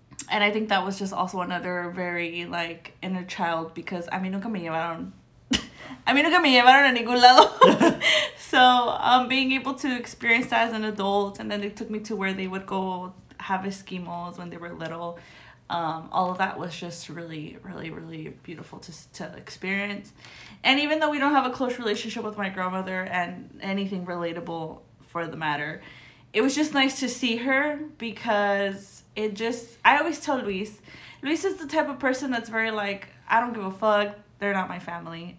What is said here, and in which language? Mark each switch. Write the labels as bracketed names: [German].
[English] And I think that was just also another very like inner child because [Spanish] a mí nunca me llevaron. A mí nunca me llevaron a ningún lado. [English] So being able to experience that as an adult, and then they took me to where they would go have Eskimos when they were little. All of that was just really, really, really beautiful to experience. And even though we don't have a close relationship with my grandmother and anything relatable for the matter, it was just nice to see her because it just, I always tell Luis, Luis is the type of person that's very like, I don't give a fuck, they're not my family.